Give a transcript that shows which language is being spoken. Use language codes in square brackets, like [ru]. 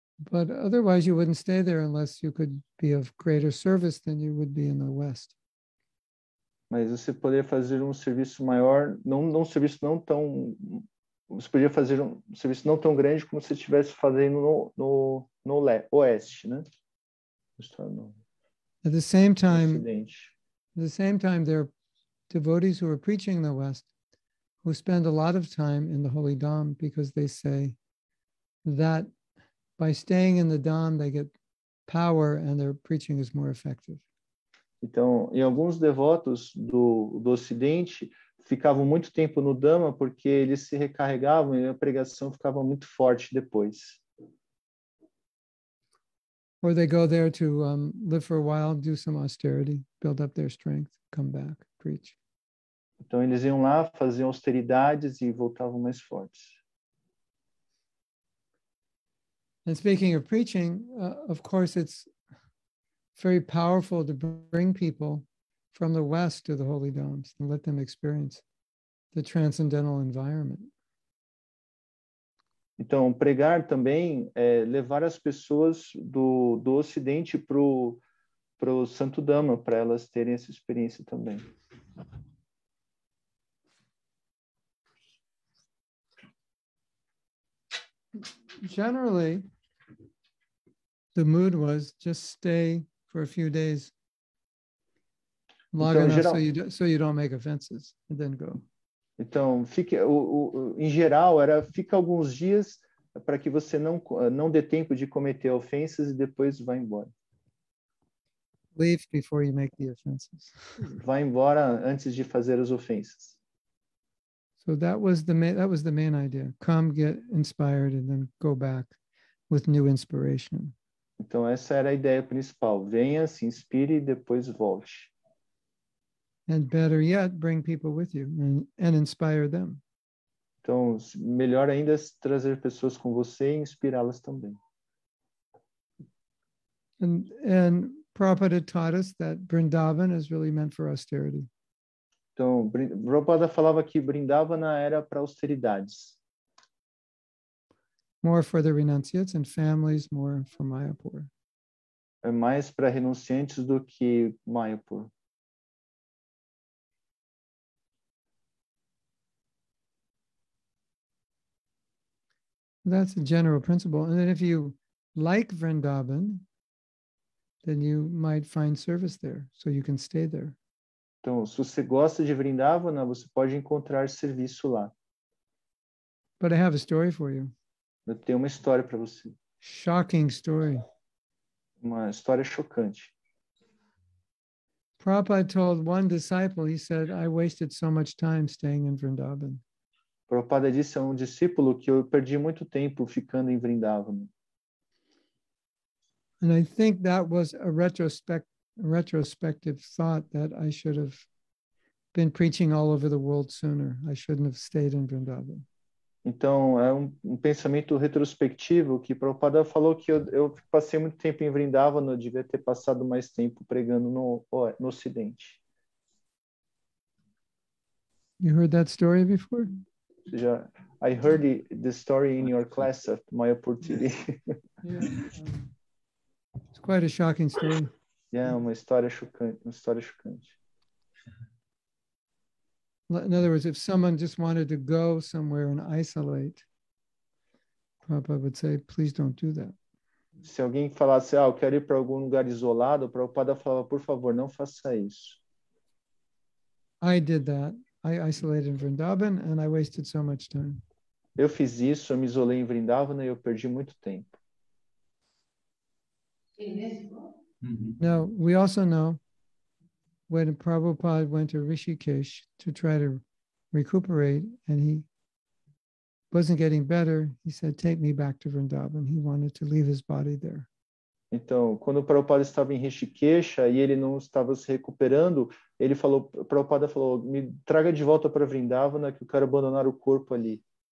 [en] But otherwise you wouldn't stay there unless you could be of greater service than you would be in the West. [pt] Mas você poderia fazer um serviço maior, você poderia fazer um serviço não tão grande como se estivesse fazendo no Oeste, né? [en] At the same time, there are devotees who are preaching in the West who spend a lot of time in the Holy Dham because they say that by staying in the Dham, they get power and their preaching is more effective. [pt] Então, e alguns devotos do Ocidente ficavam muito tempo no Dhamma porque eles se recarregavam e a pregação ficava muito forte depois. [en] Or they go there to live for a while, do some austerity, build up their strength, come back, preach. [pt] Então eles iam lá, faziam austeridades e voltavam mais fortes. [en] And speaking of preaching, of course it's very powerful to bring people from the West to the Holy Domes and let them experience the transcendental environment. [pt] Então, pregar também é levar as pessoas do Ocidente pro Santo Dhamma, para elas terem essa experiência também. [en] Generally, the mood was just stay for a few days long enough so you don't make offenses and then go. [pt] Então, em geral, era fica alguns dias para que você não dê tempo de cometer ofensas e depois vá embora. [en] Leave before you make the offenses. [pt] Vá embora antes de fazer as ofensas. [en] So that was the main idea. Come, get inspired, and then go back with new inspiration. [pt] Então, essa era a ideia principal. Venha, se inspire e depois volte. [en] And better yet, bring people with you and inspire them. [pt] Então, melhor ainda é trazer pessoas com você e inspirá-las também. [en] And Prabhupada taught us that Vrindavan is really meant for austerity. [pt] Então, Prabhupada falava que Vrindavana era para austeridades. [en] More for the renunciates and families, more for Mayapur. [pt] É mais para renunciantes do que Mayapur. [en] That's a general principle. And then if you like Vrindavan, then you might find service there, so you can stay there. [pt] Então, se você gosta de Vrindavana, você pode encontrar serviço lá. [en] But I have a story for you. [pt] Eu tenho uma história para você. [en] Shocking story. [pt] Uma história chocante. [en] Prabhupada told one disciple, he said, I wasted so much time staying in Vrindavan. [pt] Prabhupada disse a um discípulo que eu perdi muito tempo ficando em Vrindavan. [en] And I think that was a retrospective thought that I should have been preaching all over the world sooner. I shouldn't have stayed in Vrindavan. [pt] Então, é um pensamento retrospectivo que Prabhupada falou que eu passei muito tempo em Vrindavan, eu devia ter passado mais tempo pregando no Ocidente. [en] You heard that story before? I heard the story in your class at Mayapurtiri. Yeah. It's quite a shocking story. [pt] Yeah, uma história chocante. [en] In other words, if someone just wanted to go somewhere and isolate, Prabhupada would say, please don't do that. [pt] Se alguém falasse, eu quero ir para algum lugar isolado, Prabhupada falava, por favor, não faça isso. [en] I did that. I isolated in Vrindavan and I wasted so much time. [pt] Eu fiz isso, eu me isolei em Vrindavan e eu perdi muito tempo. [en] Now, we also know when Prabhupada went to Rishikesh to try to recuperate and he wasn't getting better, he said, take me back to Vrindavan. He wanted to leave his body there. [pt] Então, quando o Prabhupada estava em Rishikesh e ele não estava se recuperando, ele falou, o Prabhupada falou, me traga de volta para Vrindavan, que eu quero abandonar o corpo ali.